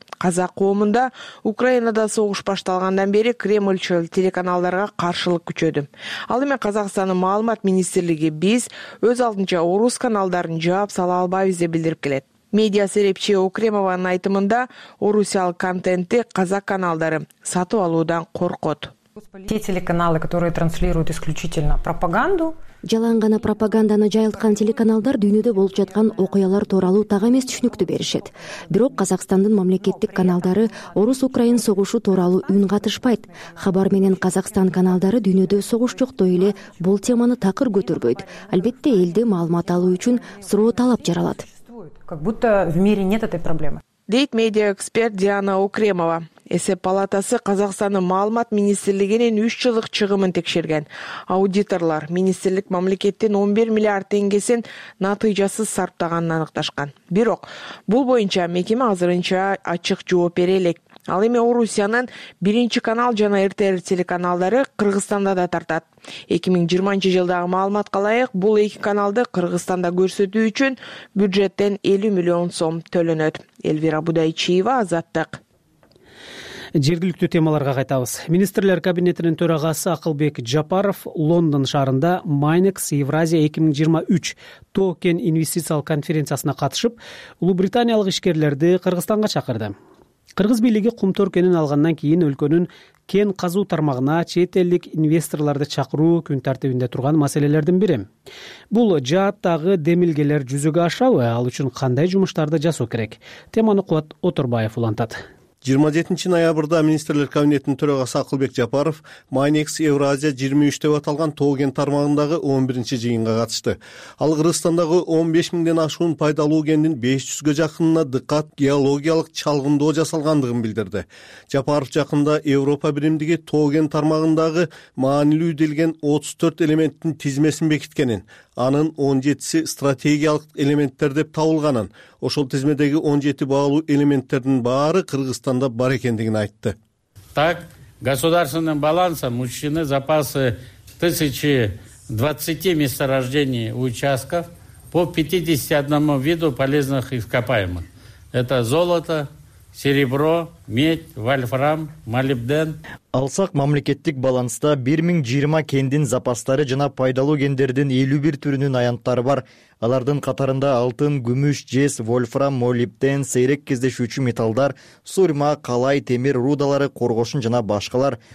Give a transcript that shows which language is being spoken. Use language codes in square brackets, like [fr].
[ky] Казак коомунда Украинада согуш башталгандан бери Кремльчыл телеканалдарга каршылык күчөдү. Ал эми Казакстандын маалымат министрлиги биз өз алдынча орус каналдарын жаап сала албайбыз деп билдирип келет. Медиа серепчи Окремованын айтымында орусиялык контентти казак каналдары сатып алуудан коркот. [ru] Те телеканалы, которые транслируют исключительно пропаганду. [ky] Жалаң гана пропаганданы жайылткан телеканалдар дүйнөдө болуп жаткан окуялар тууралуу так эмес түшүнүктү беришет. Бирок Казакстандын мамлекеттик каналдары орус-украин согушу тууралуу үн катышпайт. Хабар менен Казакстан каналдары дүйнөдө согуш жоктой эле бул теманы такыр көтөрбөйт. Албетте элди маалымат алуу үчүн суроо талап жаралат. [ru] Как будто в мире нет этой проблемы. [ky] Дейт медиа-эксперт Диана Окремова. Эсеп палатасы Казакстандын маалымат министрлигинин 3 жылдык чыгымын текшерген. Аудиторлор министрлик мамлекеттин 11 миллиард теңгесин натыйжасыз сарптаганын аныкташкан. Бирок бул боюнча мекеме азырынча ачык жооп бере элек. Ал эми Орусиянын биринчи канал жана РТР телеканалдары Кыргызстанда да тартат. 2020 жылдагы маалыматка ылайык, бул эки каналды Кыргызстанда көрсөтүү үчүн бюджеттен 50 миллион сом төлөнөт. Элвира Будайчиева, Азаттык. Жергиликтүү темаларга кайтабыз. Министрлер кабинетинин төрагасы Акылбек Жапаров Лондон шаарында Minex Евразия 2023 токен инвестициялык конференциясына катышып, Улуубританиялык ишкерлерди Кыргызстанга чакырды. Кыргыз бийлиги кумтор кенин алгандан кийин өлкөнүн кен казуу тармагына чет элдик инвесторлорду чакыруу күн тартибинде турган маселелердин бири. Бул жааттагы демилгелер жүзөгө ашабы? Ал үчүн кандай жумуштарды жасоо керек? Теманы Кубат Оторбаев улантат. 27 ноябрда Министрлер кабинетинин төрагасы Акылбек Жапаров Minex Евразия 23 деп аталган тоо-кен тармагындагы 11-чи жыйынга катышты. Ал Кыргызстандагы 15 миңден ашуун пайдалуу кендин 500 жакынына дыкат геологиялык чалгындоо жасалгандыгын билдирди. Жапаров жакында Европа биримдиги тоо-кен тармагындагы маанилүү делген 34 элементтин тизмесин бекиткенин, анын 17 стратегиялык элементтер деп табылганын, ошол тизмедеги 17 баалуу элементтердин баары Кыргызстанда бар экендигин айтты. [ru] Так, государственным балансом учтены запасы 1020 месторождений участков по 51 виду полезных ископаемых. Это золото, серебро, медь, вольфрам, молибден. [ky] Алсак мамлекеттик баланста 1020 кендин запастары жана пайдалуу кендердин 51 түрүнүн аянттары бар. Алардын катарында алтын, күмүш, жез, вольфрам, молибден, сейрек кездешүүчү металдар, сурьма, калай, темир рудалары, коргошун жана башкалар.